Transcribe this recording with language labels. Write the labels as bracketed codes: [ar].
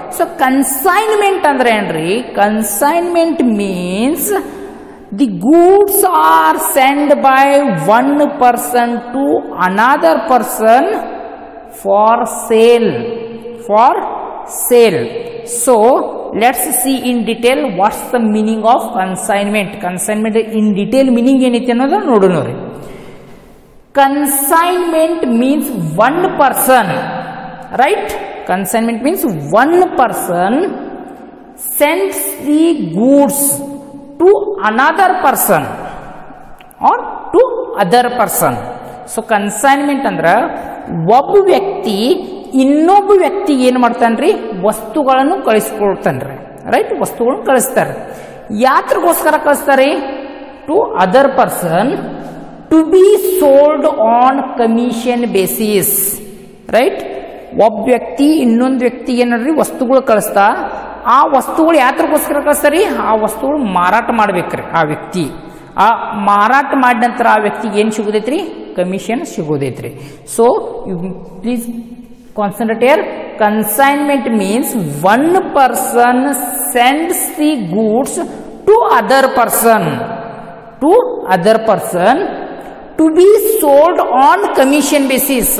[kn] So consignment ಅಂದ್ರೆ ಏನ್ರಿ? [en] Consignment means the goods are send by one person to another person for sale, for sale. So let's see in detail what's the meaning of consignment. Consignment in detail meaning [kn] enithe annodu nodunore. [en] Consignment means one person, right? Consignment means one person sends the goods to another person or to other person. [kn] So consignment andra ಒಬ್ಬ ವ್ಯಕ್ತಿ ಇನ್ನೊಬ್ಬ ವ್ಯಕ್ತಿ ಏನ್ ಮಾಡ್ತಾನ್ರಿ? ವಸ್ತುಗಳನ್ನು ಕಳಿಸ್ಕೊಳ್ತಾನ್ರಿ, right? ವಸ್ತುಗಳನ್ನು ಕಳಿಸ್ತಾರೆ. ಯಾತ್ರಗೋಸ್ಕರ ಕಳಿಸ್ತಾರೆ? [en] To other person to be sold on commission basis. Right? [kn] ಒಬ್ಬ ವ್ಯಕ್ತಿ ಇನ್ನೊಂದು ವ್ಯಕ್ತಿ ಏನಾರ್ರಿ ವಸ್ತುಗಳು ಕಳಿಸ್ತಾ, ಆ ವಸ್ತುಗಳು ಯಾತ್ರಕ್ಕೋಸ್ಕರ ಕಳಿಸ್ತಾರ ರೀ, ಆ ವಸ್ತುಗಳು ಮಾರಾಟ ಮಾಡ್ಬೇಕ್ರಿ ಆ ವ್ಯಕ್ತಿ. ಆ ಮಾರಾಟ ಮಾಡಿದ ನಂತರ ಆ ವ್ಯಕ್ತಿಗೆ ಏನು ಸಿಗೋದೈತ್ರಿ? Commission ಸಿಗೋದೈತ್ರಿ. [en] So you please concentrate here. Consignment means one person sends the goods to other person, to other person to be sold on commission basis.